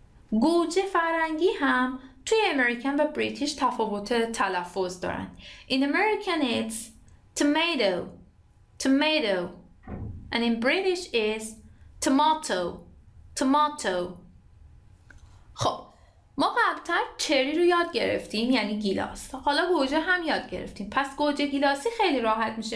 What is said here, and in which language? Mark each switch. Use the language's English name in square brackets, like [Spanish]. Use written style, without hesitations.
[Persian] گوجه فرنگی هم توی امریکن و بریتیش تفاوت تلفظ دارن. [English] In American it's tomato and in British is tomato. [Persian] خب ما قبل‌تر چری رو یاد گرفتیم یعنی گیلاس. حالا گوجه هم یاد گرفتیم. پس گوجه گیلاسی خیلی راحت میشه.